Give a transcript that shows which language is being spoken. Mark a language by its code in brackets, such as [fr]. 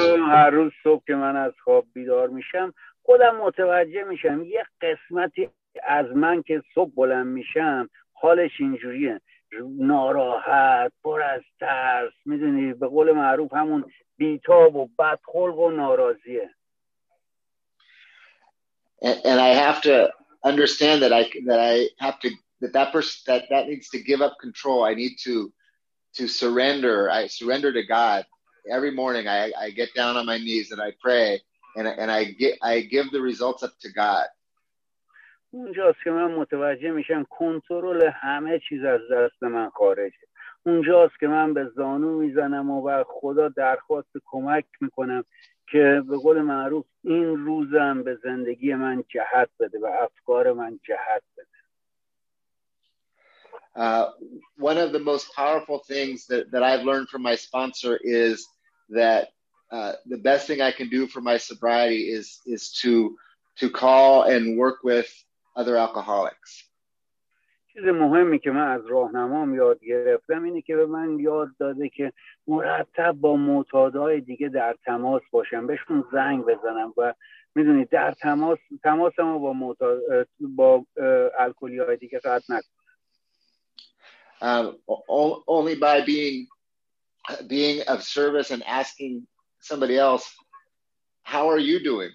[fa] هر روز صبح که من از خواب بیدار میشم خودم متوجه میشم یه قسمتی از من که صبح بلند میشم حالش اینجوریه، ناراحت، پر از ترس، میدونی به قول معروف همون بیتاب و بدخلق و ناراضیه. [en] and I have to understand that I have to that person that needs to give up control. I need to surrender. I surrender to God every morning. I get down on my knees and I pray and I give the results up to God. [fa] اونجاست که من متوجه میشم کنترل همه چیز از دست من خارجه. اونجاست که من به زانو میزنم و به خدا درخواست کمک میکنم که به قول معروف این روزم به زندگی من جهت بده و افکار من جهت بده. [en] One of the most powerful things that I've learned from my sponsor is that the best thing I can do for my sobriety is to call and work with other alcoholics. [fa] چیز مهمی که من از راهنمام یاد گرفتم اینه که به من یاد داده که مرتب با معتادهای دیگه در تماس باشم، بهشون زنگ بزنم و میدونی در تماسم رو با معتاد با الکلی‌های دیگه قطع نکنم. [en] Only by being of service and asking somebody else, how are you doing?